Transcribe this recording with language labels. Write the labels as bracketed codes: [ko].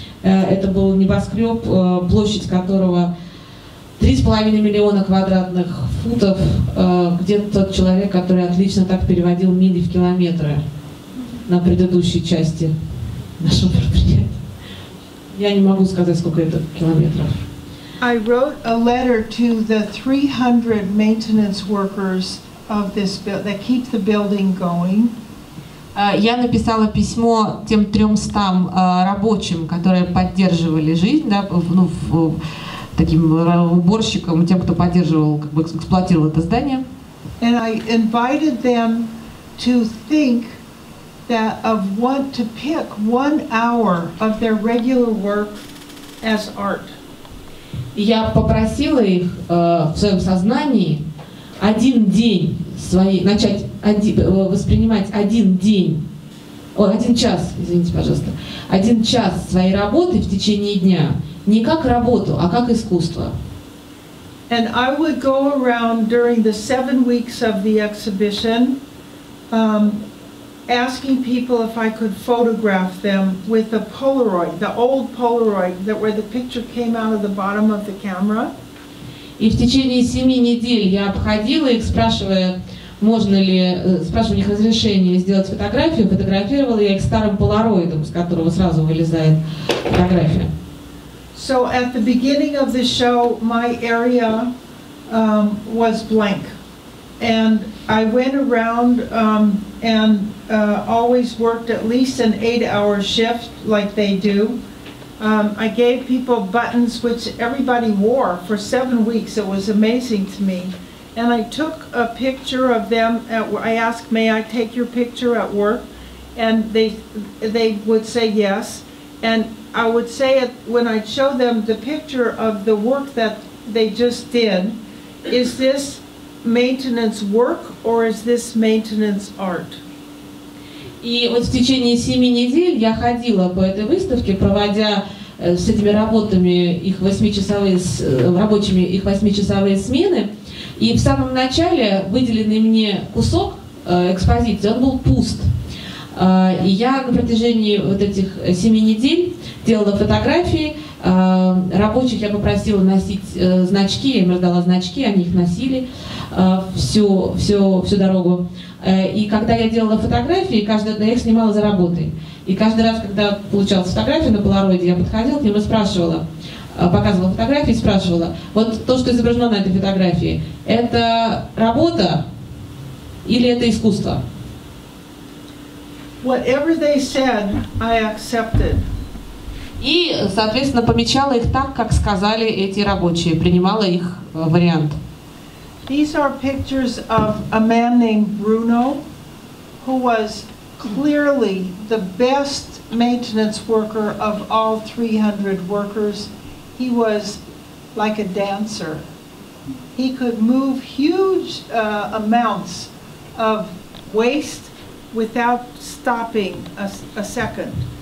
[ru] Это был небоскреб, площадь которого 3.5 миллиона квадратных футов, где тот человек, который отлично так переводил мили в километры на предыдущей части нашего предприятия. Я не могу сказать, сколько это километров. [en] I wrote a letter to the 300 maintenance workers of this that keep the building going. [ru] Я написала письмо тем 300 рабочим, которые поддерживали жизнь, да, ну, таким уборщикам, тем, кто поддерживал, как бы эксплуатировал это здание. [en] And I invited them to think that of what to pick 1 hour of their regular work as art. [ru] Я попросила их в своем сознании один день свои начать один, воспринимать один день, о, один час, извините, пожалуйста, один час своей работы в течение дня не как работу, а как искусство. [en] And I would go around during the 7 weeks of the exhibition, asking people if I could photograph them with a Polaroid, the old Polaroid, that where the picture came out of the bottom of the camera. [ru] И в течение 7 недель я обходила их, спрашивая, можно ли, спрашивая у них разрешение сделать фотографию, фотографировала я их старым Полароидом, с которого сразу вылезает фотография. [en] So at the beginning of the show, my area was blank. And I went around and always worked at least an 8-hour shift like they do. I gave people buttons which everybody wore for 7 weeks. It was amazing to me. And I took a picture of them. I asked, may I take your picture at work? And they would say yes. And I would say it when I'd show them the picture of the work that they just did, is this maintenance work or is this maintenance art? [ru] И вот в течение 7 недель я ходила по этой выставке, проводя с этими работами их восьмичасовые рабочими их восьмичасовые смены. И в самом начале выделенный мне кусок экспозиции, он был пуст. И я на протяжении вот этих 7 недель делала фотографии. Рабочих я попросила носить значки, я им раздала значки, они их носили всю дорогу. И когда я делала фотографии, я их снимала за работой. И каждый раз, когда получалась фотография на полароиде, я подходила к ним и спрашивала, показывала фотографии и спрашивала, вот то, что изображено на этой фотографии, это работа или это искусство? [en] Whatever they said, I accepted. [ru] И, соответственно, помечала их так, как сказали эти рабочие, принимала их вариант. [en] These are pictures of a man named Bruno, who was clearly the best maintenance worker of all 300 workers. He was like a dancer. He could move huge amounts of waste without stopping a second.